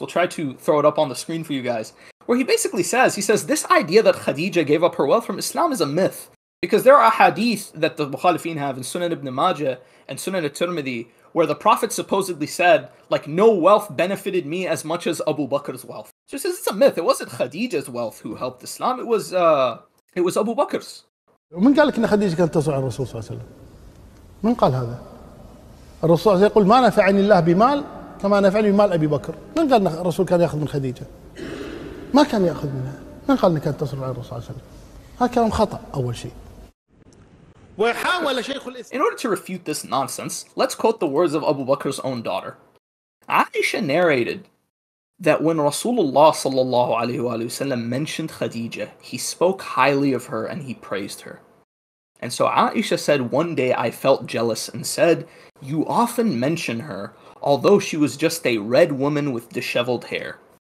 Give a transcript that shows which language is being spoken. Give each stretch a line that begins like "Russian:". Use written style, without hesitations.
English: We'll try to throw it up on the screen for you guys. Where he basically says, this idea that Khadijah gave up her wealth from Islam is a myth. Because there are hadith that the Mukhalifin have in Sunan ibn Majah and Sunan al-Tirmidhi where the Prophet supposedly said, like, no wealth benefited me as much as Abu Bakr's wealth. So he says it's a myth. It wasn't Khadijah's wealth who helped Islam. It was Abu Bakr's.
Arabic: من قال لك ان خديجه كانت تصعد الرسول صلى الله عليه وسلم من قال هذا؟ الرسول يقول ما نفعني الله بمال كما نفعني بمال أبي بكر. من قال الرسول كان يأخذ من خديجة؟ ما كان يأخذ منها. من قال أنك تصرف على الرسول صلى الله عليه وسلم؟ هذا كلام خطأ أول شيء.
English: In order to refute this nonsense, let's quote the words of Abu Bakr's own daughter. Aisha narrated that when Rasulullah sallallahu alayhi wa sallam mentioned Khadija, he spoke highly of her and he praised her. And so Aisha said, one day I felt jealous and said, you often mention her, although she was just a red woman with disheveled hair.